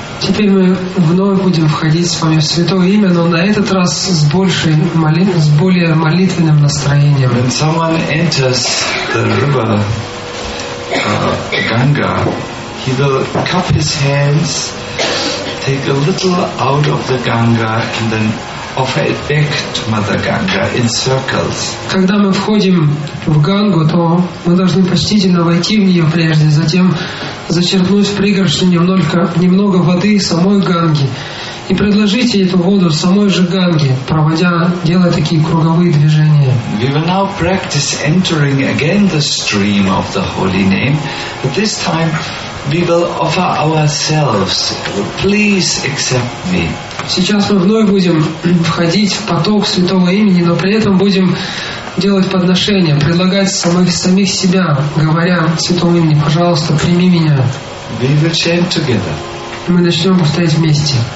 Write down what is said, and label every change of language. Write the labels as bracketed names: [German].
[Russian] Теперь мы вновь будем входить с вами в Святое Имя, но на этот раз с большей с более молитвенным настроением. [English] When someone enters the river Ganga, he will cup his hands, take a little out of the Ganga, and then offer it back to Mother Ganga in circles. [Russian] Когда мы входим в Гангу, то мы должны почтительно войти в нее прежде, затем зачерпнуть в пригоршню немного воды самой Ганги и предложить эту воду самой же Ганге, делая такие круговые движения. [English] We will now practice entering again the stream of the holy name, but this time we will offer ourselves. Please accept me. [Russian] Сейчас мы вновь будем входить в поток Святого Имени, но при этом будем делать подношение, предлагать самих себя, говоря Святому Имени, пожалуйста, прими меня. [English] We will chant together. [Russian] Мы начнем повторять вместе.